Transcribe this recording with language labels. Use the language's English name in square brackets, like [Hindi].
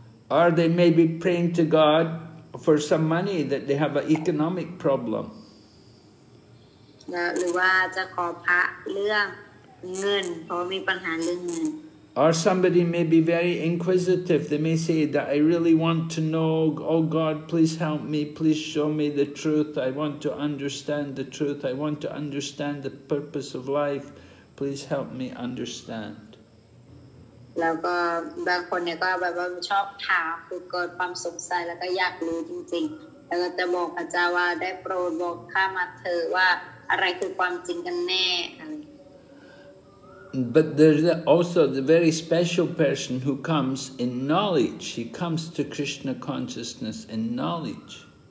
[English] Or they may be praying to God for some money that they have an economic problem. [Thai] หรือว่าจะขอพระเรื่องเงินเพราะมีปัญหาเรื่องเงิน [English] Or somebody may be very inquisitive. They may say that I really want to know. Oh God, please help me. Please show me the truth. I want to understand the truth. I want to understand the purpose of life. Please help me understand. [Thai] แล้วก็บางคนเนี่ยก็แบบว่าชอบถามคือเกิดความสงสัยแล้วก็อยากรู้จริงๆแล้วก็จะบอกพระเจ้าว่าได้โปรดบอกข้ามาเถอะว่าอะไรคือความจริงกันแน่ [English] But there's also the very special person who comes in knowledge. He comes to Krishna consciousness in knowledge.